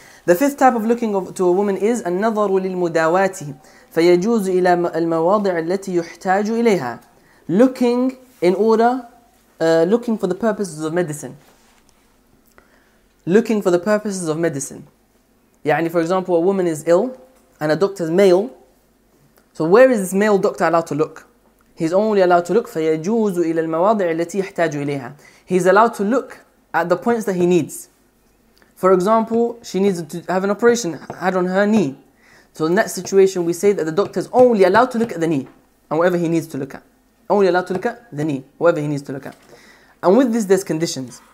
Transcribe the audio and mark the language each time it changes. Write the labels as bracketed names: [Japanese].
[English] The fifth type of looking to a woman is [Arabic] النظر للمداوات فيجوز إلى المواضع التي يحتاج إليها. [English] Looking in order, looking for the purposes of medicine. Looking for the purposes of medicine. [Arabic] يعني [English] for example, a woman is ill and a doctor is male. So where is this male doctor allowed to look? He's only allowed to look [Arabic] فيجوز إلى المواضع التي يحتاج إليها. [English] He's allowed to look at the points that he needs. For example, she needs to have an operation had on her knee. So in that situation, we say that the doctor is only allowed to look at the knee and whatever he needs to look at. Only allowed to look at the knee, whatever he needs to look at. And with this, there's conditions.